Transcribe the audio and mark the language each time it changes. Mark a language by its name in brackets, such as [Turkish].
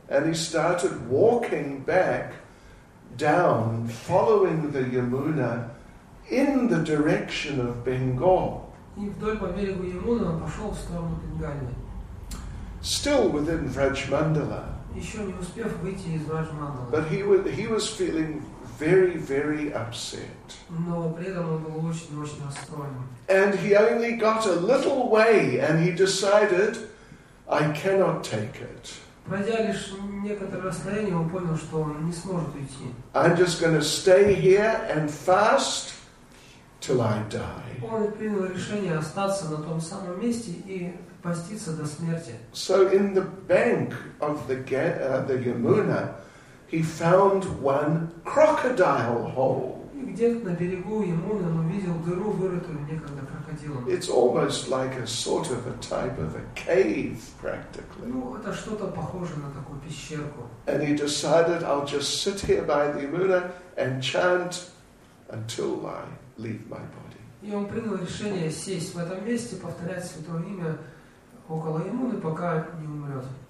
[English] And he started walking back down, following the Yamuna in the direction of Bengal. [Russian] И вдоль по берегу Ямуны он пошел в сторону Бенгалии. [English] Still within Vrajmandala. [Russian] Еще не успев выйти из Vrajmandala. [English] But he was feeling very, very upset. [Russian] Но при этом он был очень, очень расстроен. [English] And he only got a little way, and he decided, I cannot take it. [Russian] Пройдя лишь некоторое расстояние, он понял, что он не сможет уйти. [English] I'm just going to stay here and fast till I die. [Russian] Он принял решение остаться на том самом месте и поститься до смерти. [English] So in the bank of the Yamuna, he found one crocodile hole. [Russian] И где-то на берегу Ямуны он увидел дыру, вырытую некогда крокодилом. [English] It's almost like a sort of a type of a cave, practically. [Russian] Ну, это что-то похоже на такую пещерку. [English] And he decided, I'll just sit here by the Yamuna and chant until I leave my body. [Russian] И он принял решение сесть в этом месте, повторять святое имя около иммуны, пока не умрет.